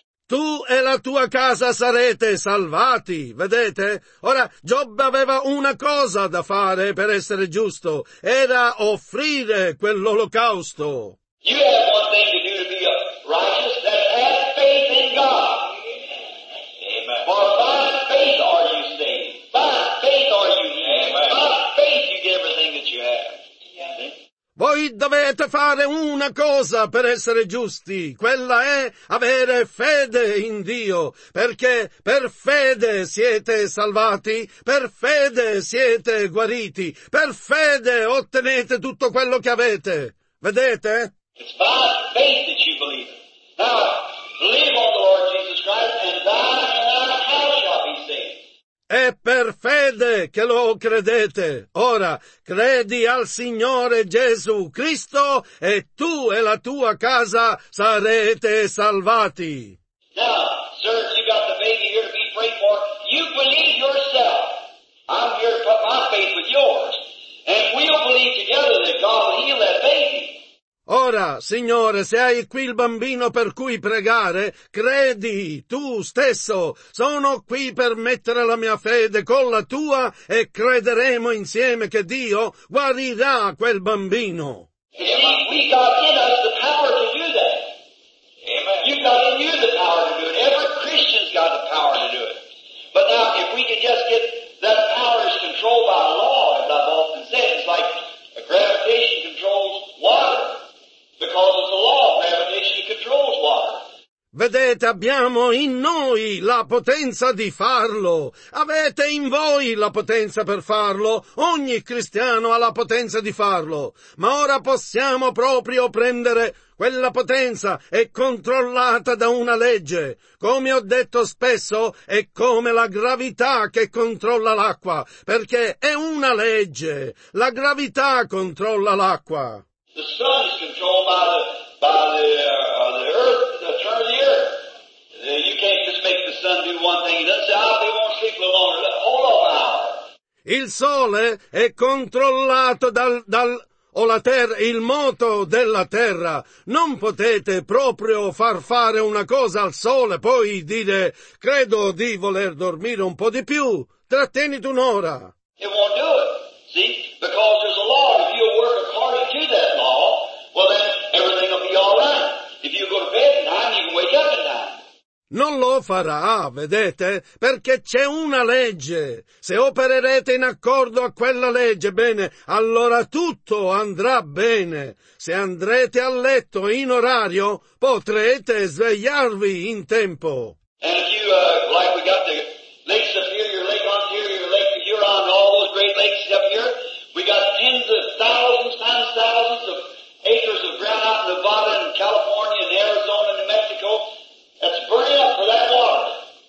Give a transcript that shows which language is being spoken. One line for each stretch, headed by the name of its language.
Italian: Tu e la tua casa sarete salvati, vedete? Ora, Giobbe aveva una cosa da fare per essere giusto. Era offrire quell'olocausto.
English: You have one thing to do to be a righteous, that have faith in God. Amen. For by faith are you saved. By faith are you healed. Amen. By faith you get everything that you have.
Italian: Voi dovete fare una cosa per essere giusti, quella è avere fede in Dio, perché per fede siete salvati, per fede siete guariti, per fede ottenete tutto quello che avete. Vedete?
English: It's by faith that you believe. Now, believe on the Lord Jesus Christ and thy
Italian: è per fede che lo credete. Ora, credi al Signore Gesù Cristo e tu e la tua casa sarete salvati.
English: Now, sir, you got the baby here to be prayed for. You believe yourself. I'm here to put my faith with yours. And we'll believe together that God will heal that baby.
Italian: Ora, Signore, se hai qui il bambino per cui pregare, credi tu stesso. Sono qui per mettere la mia fede con la tua e crederemo insieme che Dio guarirà quel bambino.
English: We got in us the power to do that. Amen. You got in you the power to do it. Every Christian's got the power to do it. But now, if we could just get that power is controlled by law, as I've often said, it's like a gravitation controls water. Because of the law of gravitation controls water.
Italian: Vedete, abbiamo in noi la potenza di farlo. Avete in voi la potenza per farlo. Ogni cristiano ha la potenza di farlo. Ma ora possiamo proprio prendere quella potenza e controllata da una legge. Come ho detto spesso, è come la gravità che controlla l'acqua. Perché è una legge. La gravità controlla l'acqua.
English: The sun is controlled by the earth, the turn of the earth. You can't just make the sun do one thing. Let's say, oh, they won't sleep a little longer. Hold on now.
Italian: Il sole è controllato o la terra, il moto della terra. Non potete proprio far fare una cosa al sole, poi dire, credo di voler dormire un po' di più. Trattenete un'ora.
English: It won't do it. See? Because there's a law. If you work according to that law, well then everything will be all right. If you go to bed at 9, you can wake up at 9.
Italian: Non lo farà, vedete? Perché c'è una legge. Se opererete in accordo a quella legge, bene, allora tutto andrà bene. Se andrete a letto in orario, potrete svegliarvi in tempo.
English: And if you, like we got the Lake Superior, Lake Ontario, Lake Huron, all those great lakes up here, we got tens of thousands, times thousands of acres of ground out in Nevada and California and Arizona and New Mexico. That's burning up for that water.